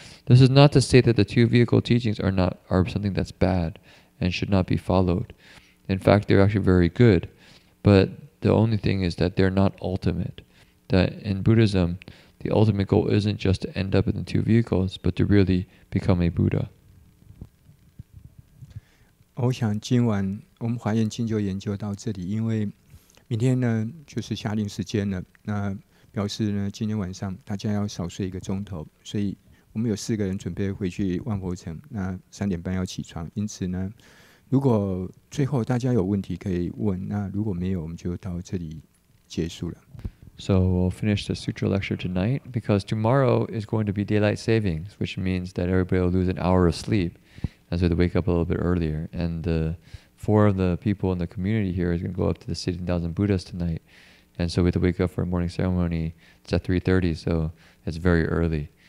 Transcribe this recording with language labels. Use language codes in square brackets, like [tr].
[en] This is not to say that the two vehicle teachings are something that's bad and should not be followed. In fact, they're actually very good. But the only thing is that they're not ultimate. That in Buddhism, the ultimate goal isn't just to end up in the two vehicles, but to really become a Buddha. [zh] 我想今晚我们华严经就研究到这里，因为明天呢就是夏令时间了，那表示呢今天晚上大家要少睡一个钟头，所以我们有四个人准备回去万佛城，那3点半要起床。因此呢，如果最后大家有问题可以问，那如果没有，我们就到这里结束了。 [en] So we'll finish the sutra lecture tonight, because tomorrow is going to be daylight savings, which means that everybody will lose an hour of sleep. and so they wake up a little bit earlier. And four of the people in the community here is going to go up to the sitting thousand Buddhas tonight. And so we have to wake up for a morning ceremony. It's at 3:30, so it's very early.